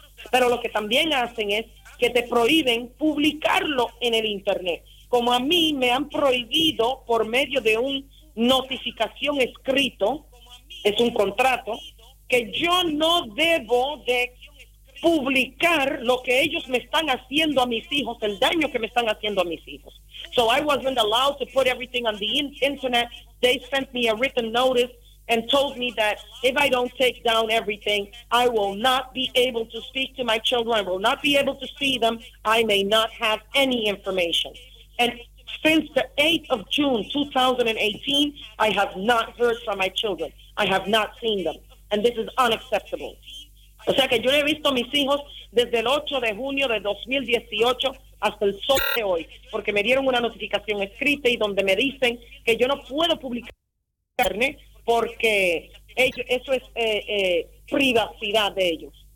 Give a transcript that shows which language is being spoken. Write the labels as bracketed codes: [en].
[es] Pero lo que también hacen es que te prohíben publicarlo en el internet, como a mí me han prohibido por medio de una notificación escrito, es un contrato, que yo no debo de publicar lo que ellos me están haciendo a mis hijos, el daño que me están haciendo a mis hijos. [en] So I wasn't allowed to put everything on the internet. They sent me a written notice and told me that if I don't take down everything, I will not be able to speak to my children. I will not be able to see them. I may not have any information. And since the 8th of June 2018, I have not heard from my children. I have not seen them. And this is unacceptable. [es] O sea que yo he visto a mis hijos desde el 8 de junio de 2018 hasta el sol de hoy, porque me dieron una notificación escrita y donde me dicen que yo no puedo publicar internet porque ellos, eso es privacidad de ellos.